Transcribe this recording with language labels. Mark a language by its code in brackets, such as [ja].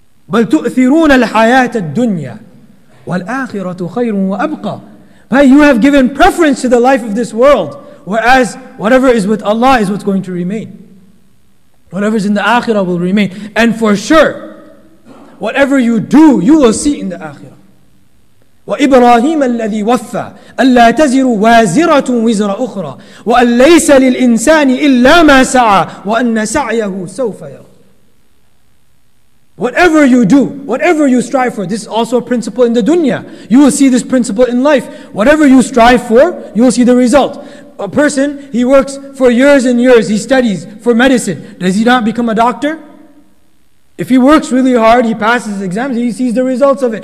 [ar] بَلْ تُؤْثِرُونَ الْحَيَاةَ الدُّنْيَا وَالْآخِرَةُ خَيْرٌ وَأَبْقَى. [en] But you have given preference to the life of this world, whereas whatever is with Allah is what's going to remain. Whatever is in the Akhirah will remain. And for sure, whatever you do, you will see in the Akhirah. [ar] وإبراهيم الذي وفى ألا تزر وازرة وزر أخرى وأن ليس للإنسان إلا ما سعى وأن سعيه سوف يرى. [en] Whatever you do, whatever you strive for, this is also a principle in the dunya. You will see this principle in life. Whatever you strive for, you will see the result. A person, he works for years and years, he studies for medicine. Does he not become a doctor? If he works really hard, he passes his exams, he sees the results of it.